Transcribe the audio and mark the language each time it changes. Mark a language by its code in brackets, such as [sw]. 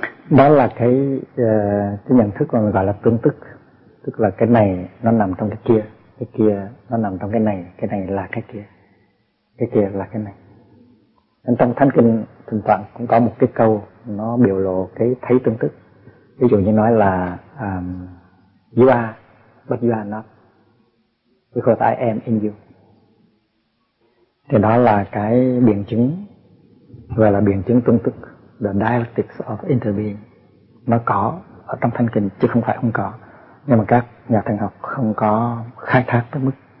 [vi] Đó là cái nhận thức mà mình gọi là tương tức, tức là cái này nó nằm trong cái kia nó nằm trong cái này là cái kia là cái này. Nên trong Thánh Kinh thỉnh thoảng cũng có một cái câu nó biểu lộ cái thấy tương tức. Ví dụ như nói là [en] you are, but you are not, because I am in you. [vi] Thì đó là cái biện chứng, gọi là biện chứng tương tức. [en] The dialectics of interbeing [vi] nó có ở trong Thánh Kinh chứ không phải không có, nhưng mà các nhà thần học không có khai thác tới mức.